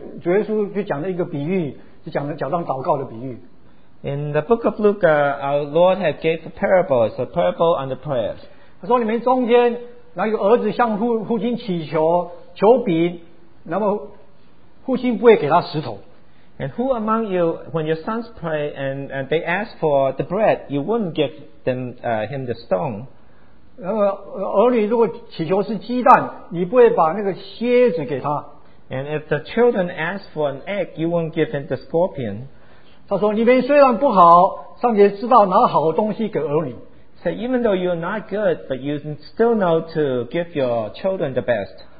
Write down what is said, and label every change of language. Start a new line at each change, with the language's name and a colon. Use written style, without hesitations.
Chinese: 在路加福音里头，主耶稣就讲了一个比喻, 就讲了祷告的比喻。
English: In the book of Luke, our Lord had gave a parable, it's a parable on the prayers.
Chinese: 他说你们中间哪有儿子向父亲祈求求饼, 那么父亲不会给他石头。
English: And who among you, when your sons pray and they ask for the bread, you wouldn't give them him the stone?
Chinese: 儿女如果祈求是鸡蛋, 你不会把那个蝎子给他。
English: And if the children ask for an egg, you won't give him the scorpion.
Chinese: 他说, 你们虽然不好, 尚且知道拿好东西给儿女。
English: So even though you're not good, but you still know to give your children the best.